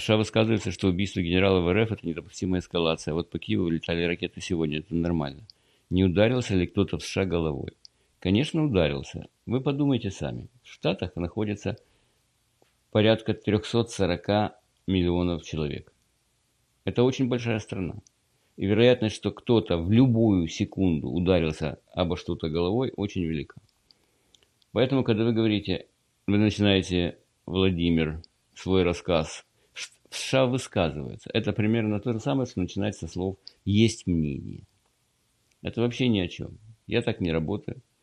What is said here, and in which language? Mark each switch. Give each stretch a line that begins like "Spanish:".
Ukrainian: США висказується, що вбивство генерала в РФ – це недопустима ескалація. От по Києву літали ракети сьогодні, це нормально. Не ударился ли кто-то в США головой?
Russian: Конечно, ударился.
Ukrainian: Ви подумайте самі. В Штатах знаходиться порядка 340 мільйонів чоловік. Це дуже велика країна.
Russian: И вероятность, что кто-то в любую секунду ударился обо что-то головой, очень велика. Поэтому, когда вы говорите, вы начинаете, Владимир, свой рассказ, в США высказывается. Это примерно то же самое, что начинается со слов «есть мнение». Это вообще ни о чем. Я так не работаю.